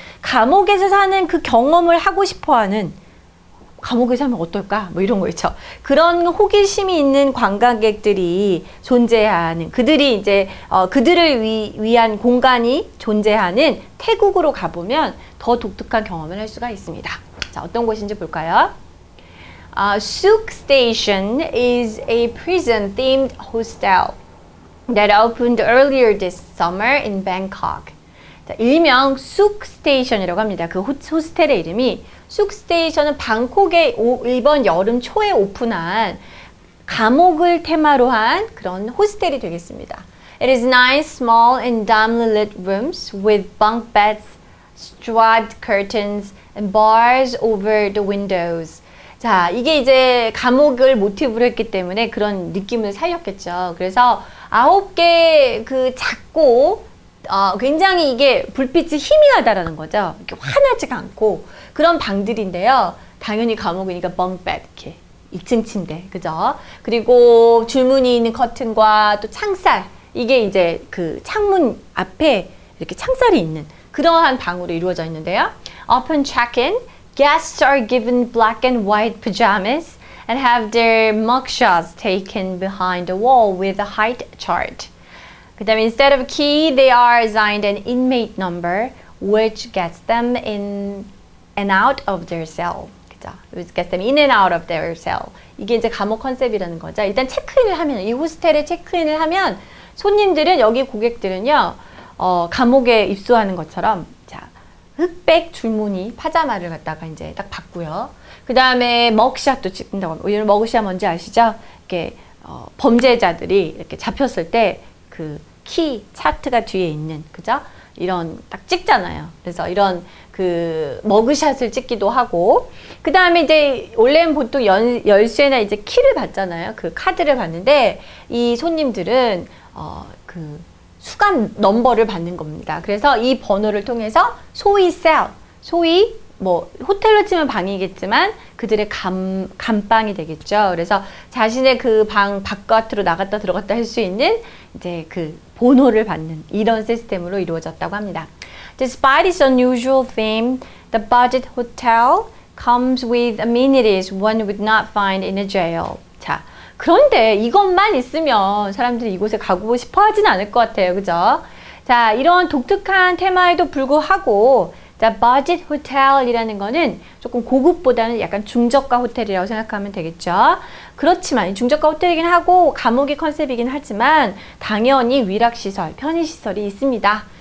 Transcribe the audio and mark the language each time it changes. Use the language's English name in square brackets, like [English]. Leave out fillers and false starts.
[Korean] 감옥에서 사는 그 경험을 하고 싶어하는, 감옥에서 살면 어떨까? 뭐 이런 거 있죠. 그런 호기심이 있는 관광객들이 존재하는, 그들이 이제 그들을 위한 공간이 존재하는 태국으로 가보면 더 독특한 경험을 할 수가 있습니다. 자, 어떤 곳인지 볼까요? [English] Souk Station is a prison-themed hostel that opened earlier this summer in Bangkok. [Korean] 자, 일명 Souk Station이라고 합니다. 그 호스텔의 이름이 Souk Station은 방콕에 이번 여름 초에 오픈한 감옥을 테마로 한 그런 호스텔이 되겠습니다. [English] It is nine small and dimly lit rooms with bunk beds, striped curtains, and bars over the windows. [Korean] 자, 이게 이제 감옥을 모티브로 했기 때문에 그런 느낌을 살렸겠죠. 그래서 아홉 개 그 작고 굉장히 이게 불빛이 희미하다라는 거죠. 이렇게 환하지가 않고 그런 방들인데요. 당연히 감옥이니까 bunk bed, 이렇게 2층 침대, 그죠? 그리고 줄무늬 있는 커튼과 또 창살, 이게 이제 그 창문 앞에 이렇게 창살이 있는 그러한 방으로 이루어져 있는데요. [English] Upon check-in, Guests are given black and white pajamas and have their mugshots taken behind a wall with a height chart. [Korean] 그다음에 [English] instead of key, they are assigned an inmate number, which gets them in and out of their cell. [Korean] 그죠? [English] Which gets them in and out of their cell. [Korean] 이게 이제 감옥 컨셉이라는 거죠. 일단 체크인을 하면, 이 호스텔에 체크인을 하면 손님들은, 여기 고객들은요, 감옥에 입소하는 것처럼 자, 흑백 줄무늬 파자마를 갖다가 이제 딱 받고요. 그 다음에 먹샷도 찍는다고 합니다. 오늘 먹샷 뭔지 아시죠? 이렇게 범죄자들이 이렇게 잡혔을 때 그 키 차트가 뒤에 있는, 그죠? 이런 딱 찍잖아요. 그래서 이런 그 머그샷을 찍기도 하고, 그 다음에 이제 원래는 보통 열쇠나 이제 키를 받잖아요. 그 카드를 받는데 이 손님들은 그 수감 넘버를 받는 겁니다. 그래서 이 번호를 통해서 소위 셀, 소위 뭐 호텔로 치면 방이겠지만 그들의 감방이 되겠죠. 그래서 자신의 그 방 바깥으로 나갔다 들어갔다 할 수 있는 이제 그 번호를 받는 이런 시스템으로 이루어졌다고 합니다. [English] Despite its unusual theme, the budget hotel comes with amenities one would not find in a jail. [Korean] 자, 그런데 이것만 있으면 사람들이 이곳에 가고 싶어 하진 않을 것 같아요. 그죠? 자, 이런 독특한 테마에도 불구하고 자, budget hotel이라는 거는 조금 고급보다는 약간 중저가 호텔이라고 생각하면 되겠죠. 그렇지만 중저가 호텔이긴 하고 감옥이 컨셉이긴 하지만 당연히 위락시설, 편의시설이 있습니다.